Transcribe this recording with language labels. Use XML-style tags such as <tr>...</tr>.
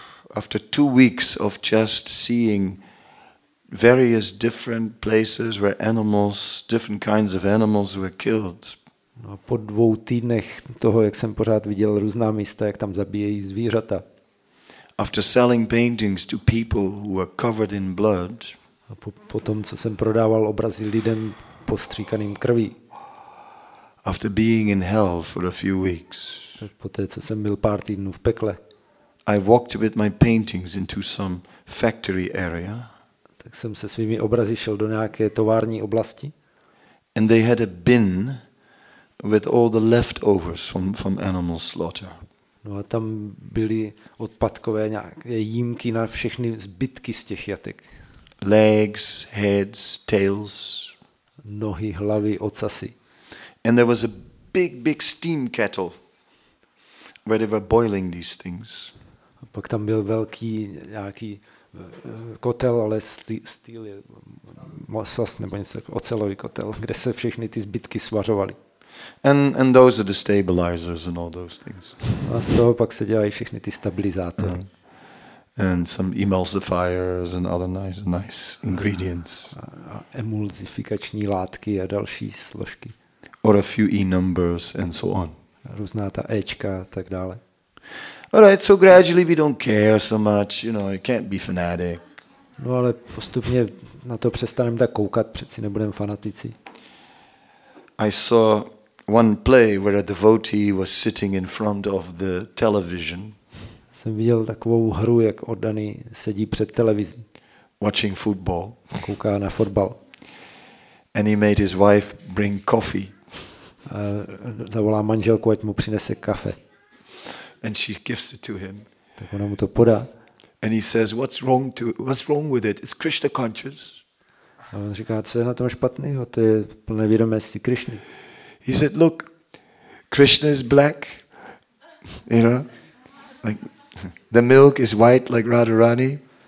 <en>And after 2 weeks of just seeing various different places where animals, different kinds of animals were killed.</en> <cs>No a po 2 týdnech toho, jak jsem pořád viděl různá místa, jak tam zabíjejí zvířata.</cs> <en>After selling paintings to people who were covered in blood.</en> <cs>A po tom, co jsem prodával obrazy lidem postříkaným krví.</cs> <en>After being in hell for a few weeks.</en> <cs>Po té, co jsem byl pár týdnů v pekle.</cs> <en>I walked with my paintings into some factory area.</en> <cs>Tak jsem se svými obrazy šel do nějaké tovární oblasti.</cs> <en>And they had a bin with all the leftovers from animal slaughter.</en> <cs>No a tam byly odpadkové nějaké jímky na všechny zbytky z těch jatek.</cs> <en>Legs, heads, tails.</en> <cs>Nohy, hlavy, ocasy.</cs> <en>And there was a big steam kettle where they were boiling these things.</en> <cs>A pak tam byl velký nějaký kotel, ale steel je masas nebo něco, ocelový kotel, kde se všechny ty zbytky svařovaly.</cs> <en>And those are the stabilizers and all those things.</en> <cs>A z toho pak se dělají všechny ty stabilizátory.</cs> <en>And some emulsifiers and other nice ingredients.</en> <cs>Emulzifikační látky a další složky.</cs> <en>Or a few e-numbers and so on.</en> <cs>Různá ta Ečka a tak dále.</cs> <en>All right, so gradually we don't care so much, you know, you can't be fanatic.</en> <cs>No ale postupně na to přestaneme tak koukat, přeci nebudeme fanatici.</cs> <en>I saw one play where a devotee was sitting in front of the television.</en> <cs>Jsem viděl takovou hru, jak oddaný sedí před televizí.</cs> <en>Watching football.</en> <cs>Kouká na fotbal.</cs> <en>And he made his wife bring coffee.</en> <cs>A zavolá manželku, ať mu přinese kafe.</cs> <en>And she gives it to him.</en> <cs>Tak ona mu to podá.</cs> <en>And he says, what's wrong with it? It's Krishna conscious.</en> <cs>A on říká, co je na tom špatného? To je plné vědomosti Krishny.</cs> <en>He said, look, Krishna is black. You know? Like, the milk is white like Radharani.</en>